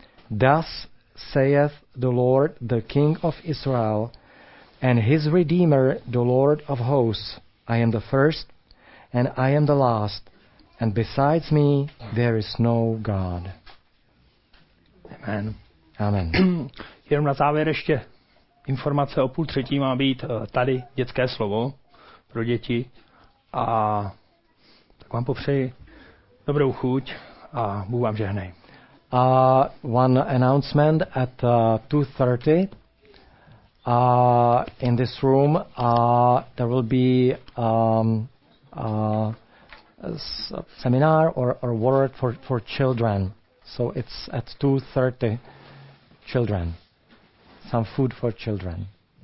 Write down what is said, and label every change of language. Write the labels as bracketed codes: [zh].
[en] Thus saith the Lord, the King of Israel, and his Redeemer, the Lord of hosts, I am the first, and I am the last, and besides me there is no God. Amen. Amen. [cs] Jenom na závěr ještě informace o 14:30 má být tady dětské slovo pro děti. A tak vám popřeji dobrou chuť a Bůh vám žehnej. [en] One announcement at 2:30 in this room there will be a seminar or word for children, so it's at 2:30 children, some food for children.